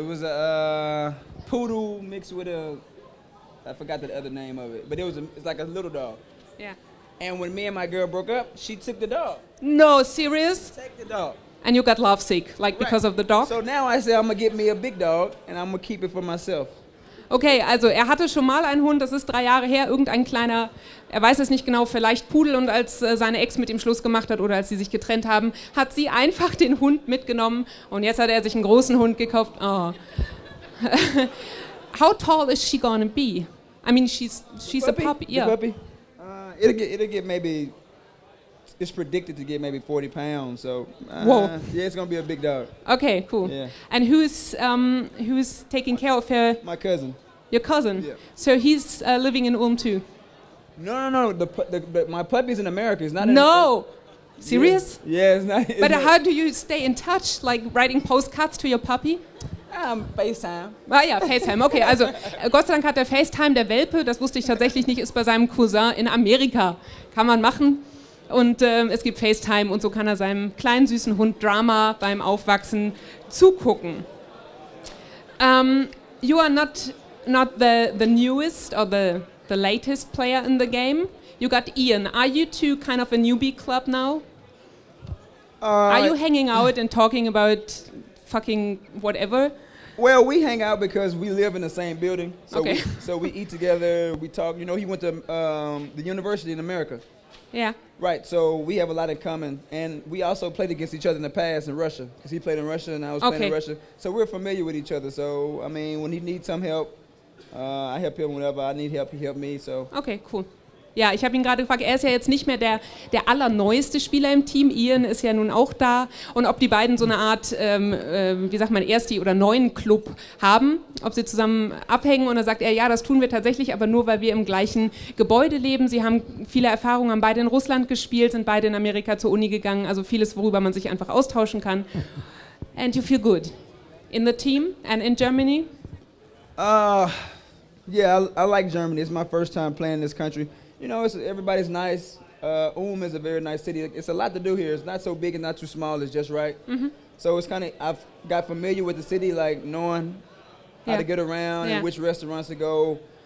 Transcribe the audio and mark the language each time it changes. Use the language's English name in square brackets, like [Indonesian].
[English] It was a poodle mixed with I forgot the other name of it, but it's like a little dog. Yeah. And when me and my girl broke up, she took the dog. No, serious? Take the dog. And you got lovesick, like because right. of the dog? So now I say I'm gonna get me a big dog and I'm gonna keep it for myself. [German] Okay, also er hatte schon mal einen Hund, das ist 3 Jahre her, irgendein kleiner, er weiß es nicht genau, vielleicht Pudel, und als seine Ex mit ihm Schluss gemacht hat oder als sie sich getrennt haben, hat sie einfach den Hund mitgenommen und jetzt hat er sich einen großen Hund gekauft. [English] Oh. How tall is she gonna be? I mean, she's puppy. A puppy. Yeah. Puppy. It'll get maybe, it's predicted to get maybe 40 pounds, so whoa. Yeah, it's gonna be a big dog. Okay, cool. Yeah. And who's taking care of her? My cousin. Your cousin? Yeah. So he's living in Ulm too? No. My puppy's in America. It's not no. in No! Serious? Yeah, it's not. It's but not. How do you stay in touch? Like writing postcards to your puppy? FaceTime. [German] Ah ja, FaceTime. Okay, also Gott sei Dank hat der FaceTime der Welpe, das wusste ich tatsächlich nicht, ist bei seinem Cousin in Amerika. Kann man machen. Und es gibt FaceTime und so kann er seinem kleinen süßen Hund Drama beim Aufwachsen zugucken. [English] You are not the newest or the latest player in the game. You got Ian. Are you two kind of a newbie club now? Are you hanging out and talking about fucking whatever? Well, we hang out because we live in the same building. So okay. So we eat together, we talk. You know, he went to the university in America. Yeah. Right, so we have a lot in common. And we also played against each other in the past in Russia. Because he played in Russia and I was playing in Russia. So we're familiar with each other. So, I mean, when he needs some help, I help him whenever I need help, he helped me. So. Okay, cool. [German] Ja, ich habe ihn gerade gefragt, er ist ja jetzt nicht mehr der allerneueste Spieler im Team. Ian ist ja nun auch da. Und ob die beiden so eine Art, wie sagt man, Ersti- oder Neuen-Club haben, ob sie zusammen abhängen. Und er sagt er, ja, das tun wir tatsächlich, aber nur, weil wir im gleichen Gebäude leben. Sie haben viele Erfahrungen, haben beide in Russland gespielt, sind beide in Amerika zur Uni gegangen. Also vieles, worüber man sich einfach austauschen kann. [English] And you feel good in the team and in Germany? Yeah, I like Germany. It's my first time playing in this country. You know, everybody's nice. Ulm is a very nice city. It's a lot to do here. It's not so big and not too small. It's just right. Mm-hmm. So it's kind of, I've got familiar with the city, like knowing how to get around and which restaurants to go.